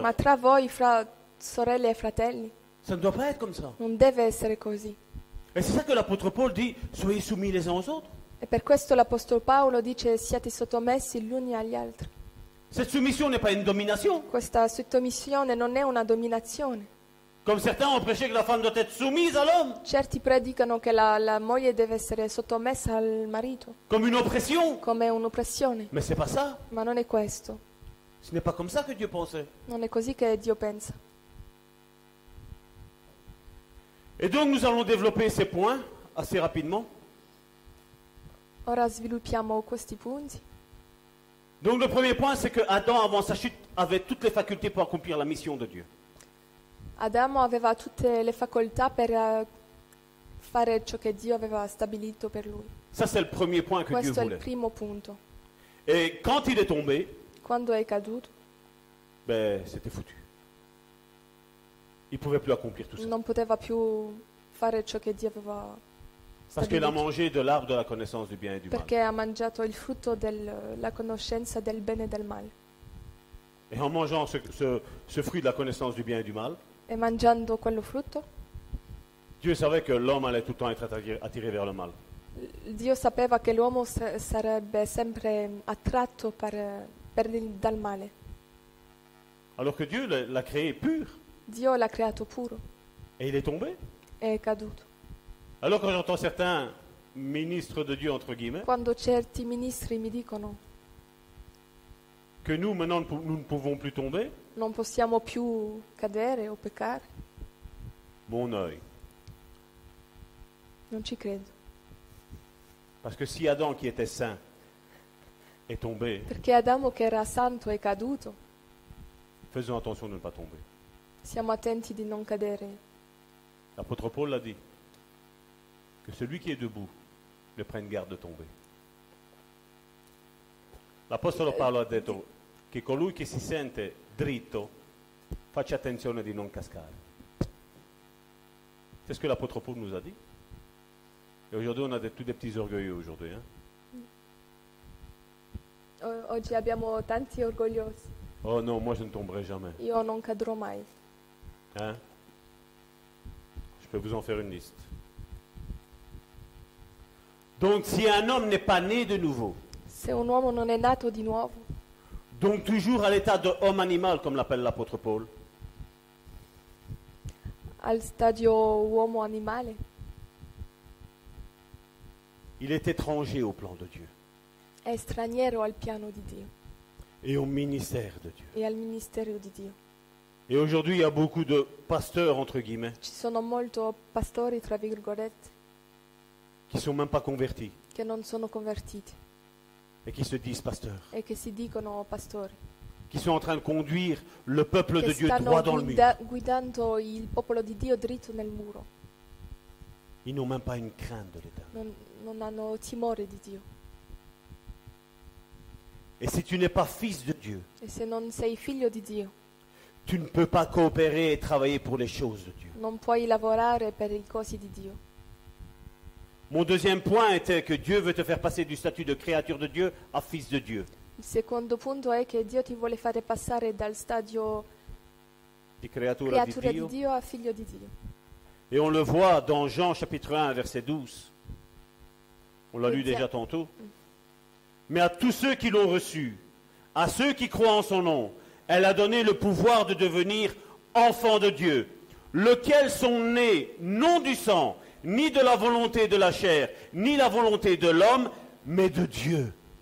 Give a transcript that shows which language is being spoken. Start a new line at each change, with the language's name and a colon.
Italian: ma tra voi, fra sorelle e fratelli,
French: ça ne doit pas être comme ça.
Italian: Non deve essere così.
French: E c'est ça que l'apôtre Paul dit: soyez soumis les uns aux autres.
Italian: E per questo l'apostolo Paolo dice: siate sottomessi gli uni agli altri.
French: Cette soumission n'est pas une domination.
Italian: Questa sottomissione non è una dominazione.
French: Comme certains ont prêché que la femme doit être soumise à l'homme.
Italian: Certi predicano che la moglie deve essere sottomessa al marito.
French: Comme une oppression.
Italian: Come un'oppressione.
French: Mais c'est pas ça.
Italian: Ma non è questo.
French: Ce n'est pas comme ça que Dieu pensait.
Italian: Non è così che Dio pensa.
French: Et donc nous allons développer ces points assez rapidement.
Italian: Ora sviluppiamo questi punti.
French: Donc le premier point, c'est que Adam, avant sa chute, avait toutes les facultés pour accomplir la mission de Dieu.
Italian: Adam aveva tutte le facoltà per fare ciò che Dio aveva stabilito per lui.
French: Ça c'est le premier point que
Italian: Questo
French: Dieu voulait.
Italian: Questo è il primo punto.
French: Et quand il est tombé?
Italian: Quando è caduto?
French: Ben, c'était foutu. Il pouvait plus accomplir tout ça.
Italian: Non poteva più fare ciò che Dio aveva
French: Parce qu'il a mangé de l'arbre de la connaissance du bien et du mal.
Italian: Perché ha mangiato il frutto della conoscenza del bene e del male.
French: Et en mangeant ce fruit de la connaissance du bien et du mal.
Italian: E mangiando quello frutto.
French: Dieu savait que l'homme allait tout le temps être attiré vers le mal.
Italian: Dio sapeva che l'uomo sarebbe sempre attratto per dal male.
French: Alors que Dieu l'a créé pur.
Italian: Dio l'ha creato puro.
French: Et il est tombé.
Italian: È caduto.
French: Alors quand j'entends certains ministres de Dieu entre guillemets,
Italian: quando certi ministri mi dicono
French: que nous maintenant nous ne pouvons plus tomber,
Italian: non possiamo più cadere o peccare,
French: mon œil,
Italian: non ci credo.
French: Parce que si Adam qui était saint est tombé,
Italian: perché Adamo che era santo è caduto,
French: faisons attention de ne pas tomber.
Italian: Siamo attenti di non cadere.
French: L'apôtre Paul l'a dit. Que celui qui est debout ne prenne garde de tomber.
Italian: L'apostolo Paolo ha detto: che colui che si sente dritto faccia attenzione di non cascare.
French: C'est ce que l'apôtre Paul nous a dit. Et aujourd'hui, on a tous des petits orgueilleux aujourd'hui. Hein?
Italian: Oggi abbiamo tanti orgogliosi.
French: Oh non, moi je ne tomberai jamais.
Italian: Io non cadrò mai.
French: Hein? Je peux vous en faire une liste. Donc si un homme n'est pas né de nouveau.
Italian: Se un uomo non è nato di nuovo.
French: Donc toujours à l'état de homme animal, comme l'appelle l'apôtre Paul.
Italian: Al stadio uomo animale.
French: Il est étranger au plan de Dieu.
Italian: È straniero al piano di Dio.
French: Et au ministère de Dieu.
Italian: E al ministerio di Dio.
French: Et aujourd'hui, il y a beaucoup de pasteurs entre guillemets.
Italian: Ci sono molto pastori tra virgolette.
French: Qui sont même pas convertis.
Italian: Che non sono convertiti.
French: Et qui se disent pasteurs.
Italian: E che si dicono pastori.
French: Qui sont en train de conduire le peuple de Dieu droit dans le mur.
Italian: Guidando il popolo di Dio dritto nel muro.
French: Ils n'ont même pas une crainte de l'Éternel.
Italian: Non hanno timore di Dio.
French: Et si tu n'es pas fils de Dieu,
Italian: e se non sei figlio di Dio,
French: tu ne peux pas coopérer et travailler pour les choses de Dieu.
Italian: Non puoi lavorare per le cose di Dio.
French: Mon deuxième point était que Dieu veut te faire passer du statut de créature de Dieu à fils de Dieu.
Italian: Il secondo punto è che Dio ti vuole fare passare dal stadio di creatura di Dio a figlio di Dio.
French: Et on le voit dans Jean chapitre 1 verset 12. On l'a lu déjà tantôt. Mais à tous ceux qui l'ont reçu, à ceux qui croient en son nom, elle a donné le pouvoir de devenir enfants de Dieu, lequel sont nés non du sang, ni de la volonté de la chair, ni la volonté de l'homme, mais de Dieu.